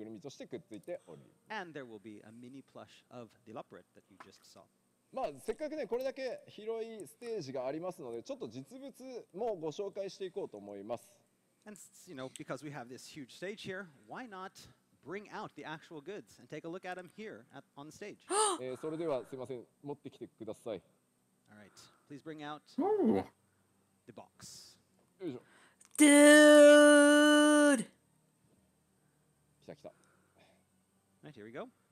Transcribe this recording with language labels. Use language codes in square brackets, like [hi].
[ja] そうそう、かつちゃんと自慢もできるみたいな。はい、感じですね。で、さっきご紹介したばっかりのレポリットがぬいぐるみとしてくっついており。 [en] And there will be a mini plush of the Leopard that you just saw. [ja] まあ、せっかくね、これだけ広いステージがありますので、ちょっと実物もご紹介していこうと思います。 [en] And you know, because we have this huge stage here, why not bring out the actual goods and take a look at them here at, on the stage? [ja] それではすいません、持ってきてください。 [en] All right. Please bring out the box. Dude! [ja] 来た。 [en] Right, here we go.